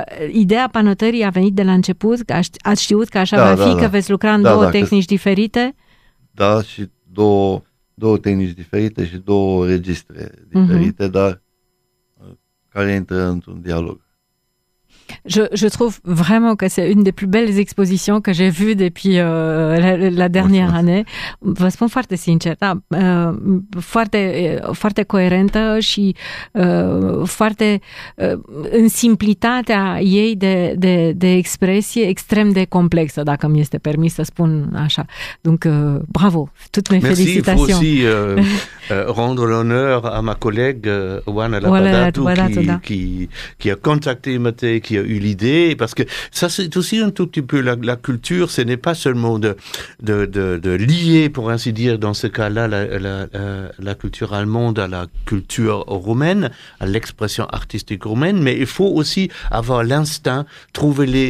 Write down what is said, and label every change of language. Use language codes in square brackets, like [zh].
[ro] Ideea panotării a venit de la început, ați știut că așa va fi. Că veți lucra în două tehnici diferite? Da, și două tehnici diferite și două registre diferite, dar care intră într-un dialog. [fr] Je trouve vraiment que c'est une des plus belles expositions que j'ai vues depuis la dernière année. [ro] Vă spun foarte sincer, da, foarte, foarte coerentă și foarte în simplitatea ei de expresie, extrem de complexă, dacă mi este permis să spun așa. [fr] Donc, bravo, toutes mes félicitations. Merci, rendre l'honneur à ma collègue Oana Lapadatu qui a contacté Matei, qui a eu l'idée, parce que ça c'est aussi un tout petit peu la culture, ce n'est pas seulement de lier, pour ainsi dire, dans ce cas-là, la culture allemande à la culture roumaine, à l'expression artistique roumaine, mais il faut aussi avoir l'instinct, trouver